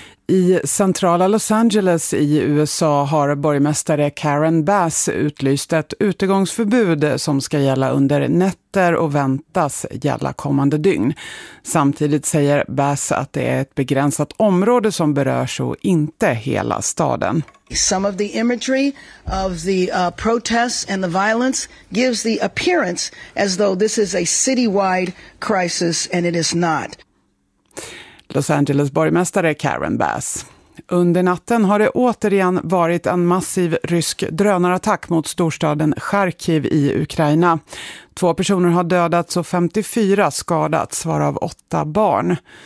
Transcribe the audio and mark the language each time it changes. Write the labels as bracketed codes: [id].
[sv] I centrala Los Angeles i USA har borgmästare Karen Bass utlyst ett utegångsförbud som ska gälla under nätter och väntas gälla kommande dygn. Samtidigt säger Bass att det är ett begränsat område som berörs och inte hela staden. [en] Some of the imagery of the protests and the violence gives the appearance as though this is a citywide crisis and it is not. [sv] Los Angeles borgmästare Karen Bass. Under natten har det återigen varit en massiv rysk drönarattack mot storstaden Charkiv i Ukraina. 2 personer har dödats och 54 skadats, varav 8 barn.